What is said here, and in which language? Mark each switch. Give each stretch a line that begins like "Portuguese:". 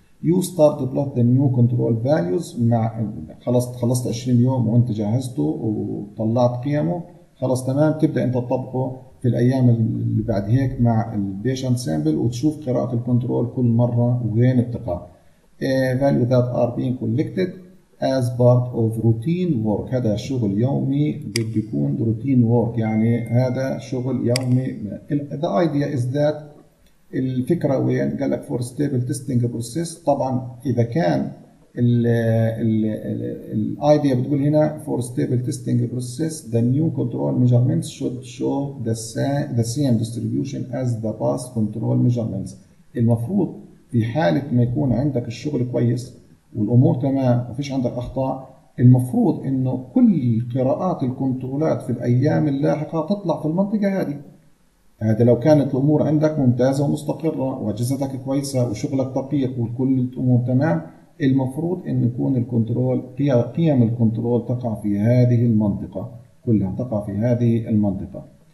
English: you start plot the new control values,
Arabic: مع خلصت 20 يوم وانت جهزته وطلعت قيمه خلاص تمام، تبدا انت تطبقه في الايام اللي بعد هيك مع البيشنت سامبل وتشوف قراءه الكنترول كل مره وين بتقع.
English: value that are been collected as part of routine work،
Arabic: هذا شغل يومي بده يكون روتين وورك، يعني هذا شغل يومي.
English: The idea is that
Arabic: الفكره وين؟ قال لك
English: for stable testing process،
Arabic: طبعا اذا كان الايديا بتقول هنا
English: for stable testing process the new control measurements should show the same distribution as the past control measurements.
Arabic: المفروض في حالة ما يكون عندك الشغل كويس والأمور تمام وفيش عندك أخطاء، المفروض أنه كل قراءات الكنترولات في الأيام اللاحقة تطلع في المنطقة هذه. هذا لو كانت الأمور عندك ممتازة ومستقرة وأجهزتك كويسة وشغلك دقيق وكل الأمور تمام، المفروض أن يكون الكنترول قيم الكنترول تقع في هذه المنطقة، كلها تقع في هذه المنطقة.